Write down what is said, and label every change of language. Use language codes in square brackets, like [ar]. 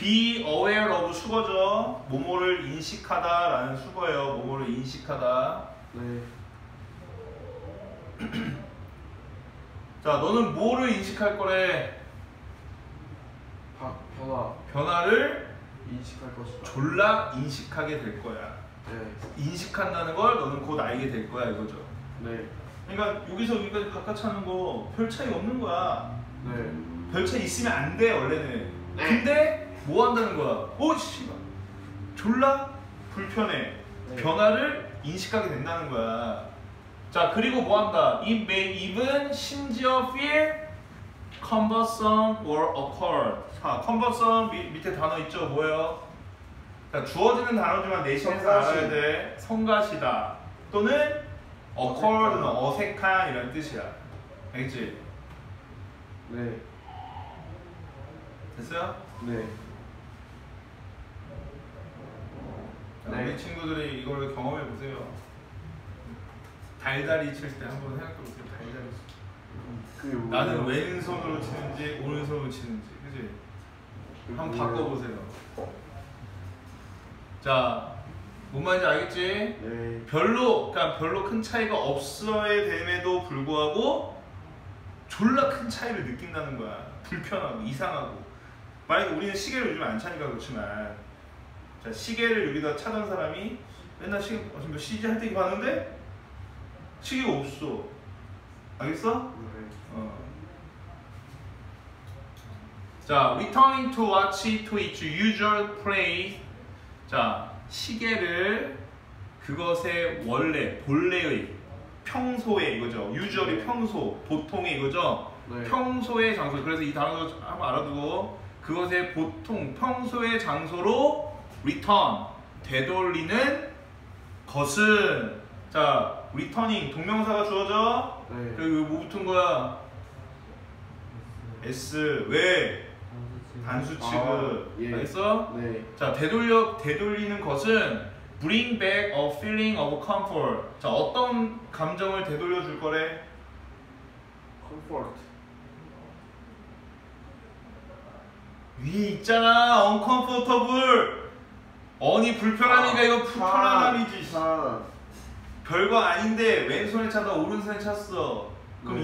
[en] be aware of [ko] 수거죠. 뭐뭐를 인식하다 라는 수거예요. 뭐뭐를 인식하다. 네. 자, 너는 뭐를 인식할 거래? 변화. 변화를? 인식할 것이다. 졸라 인식하게 될 거야. 네. 인식한다는 걸 너는 곧 알게 될 거야. 이거죠. 네. 그러니까 여기서 여기까지 바깥 차는 거 별 차이 없는 거야. 네. 별 차이 있으면 안 돼, 원래는. 네. 근데 뭐 한다는 거야? 오, 씨발. 졸라 불편해. 네. 변화를 인식하게 된다는 거야. 자, 그리고 뭐 한다? [en] It may even [ko] 심지어 [en] feel cumbersome or awkward. [ko] 자, cumbersome 밑에 단어 있죠? 뭐예요? 자, 주어지는 단어지만 내신에서 알아야 돼. 성가시다. 또는 awkward는 어색한 이런 뜻이야. 알겠지? 네. 됐어요? 네. 자, 네. 우리 친구들이 이걸 경험해 보세요. 달달이 칠 때 한번 생각해 보세요. 달달이 칠 때. 나는 왼손으로 치는지 오른손으로 치는지. 그치? 한번 바꿔 보세요. 자. 뭔 말인지 알겠지? 네. 별로, 그러니까 별로 큰 차이가 없어야 됨에도 불구하고 졸라 큰 차이를 느낀다는 거야. 불편하고 이상하고. 만약에 우리는 시계를 요즘 안 차니까 그렇지만, 자, 시계를 여기다 차던 사람이 맨날 시계 지금 CG 할 때 봤는데 시계가 없어. 알겠어? 네. 어. 자, [en] returning to watch to its usual place. [ko] 자, 시계를 그것의 원래 본래의 평소에 이거죠. 유저리 평소 보통의 이거죠. 네. 평소의 장소. 그래서 이 단어도 한번 알아두고 그것의 보통 평소의 장소로 return 되돌리는 것은 자 returning 동명사가 주어져. 네. 그리고 뭐 붙은 거야? S 왜? 단수 취급. 아, 예. 알겠어? 네. 자, 되돌리는 것은 [en] bring back a feeling of comfort. [ko] 자, 어떤 감정을 되돌려 줄 거래? [en] comfort. [ko] 위에 있잖아. uncomfortable. 언니 불편하니까 이거 불편함이지. 별거 아닌데 왼손에 차다 오른손에 찼어. 그럼 네.